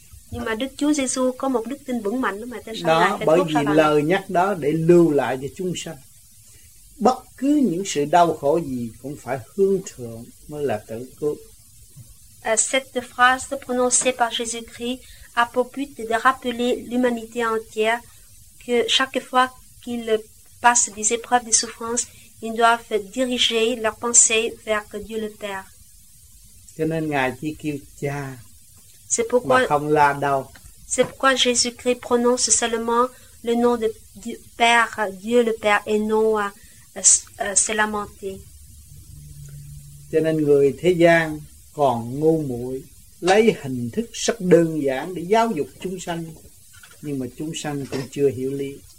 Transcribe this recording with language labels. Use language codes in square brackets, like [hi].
[vi] Nhưng mà Đức Chúa Giê-xu có một đức tin vững mạnh. Đó, bởi vì lời nhắc đó để lưu lại cho chúng sanh. Bất cứ những sự đau khổ gì cũng phải hướng thượng mới là tự cứu. [fr] Cette phrase prononcée par Jésus-Christ a pour but de rappeler l'humanité entière que chaque fois qu'ils passent des épreuves de souffrance, ils doivent diriger leurs pensées vers Dieu le Père. [vi] Cho nên Ngài chỉ kêu cha, [fr] c'est pourquoi, [vi] mà không la đâu. [fr] C'est pourquoi Jésus-Christ prononce seulement le nom de Dieu, Père, Dieu le Père, et non c'est lamenté. [vi] Cho nên người thế gian còn ngu muội, lấy hình thức rất đơn giản để giáo dục chúng sanh, nhưng mà chúng sanh cũng chưa hiểu lý.